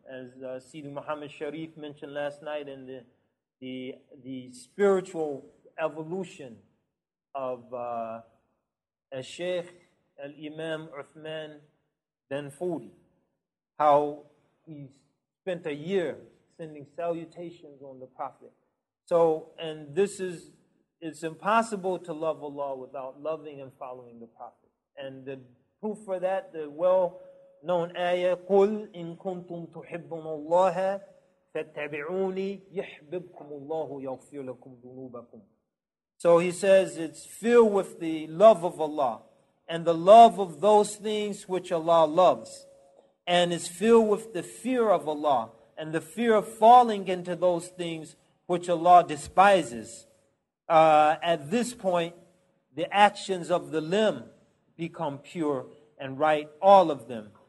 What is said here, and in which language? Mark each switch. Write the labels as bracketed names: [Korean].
[English] As Sidi Muhammad Sharif mentioned last night in the spiritual evolution of Al-Sheikh Al-Imam Uthman Danfuri, how he spent a year sending salutations on the Prophet. So, and this is, it's impossible to love Allah without loving and following the Prophet. And the proof for that, the well known ayah, [Arabic] قُلْ إِن كُنْتُمْ تُحِبُّونَ اللَّهَ فَاتَّبِعُونِي يُحْبِبْكُمُ اللَّهُ يَغْفِرْ لَكُمْ ذُنُوبَكُمْ. [English] So he says it's filled with the love of Allah and the love of those things which Allah loves, and it's filled with the fear of Allah and the fear of falling into those things which Allah despises. At this point, the actions of the limb become pure and right, all of them.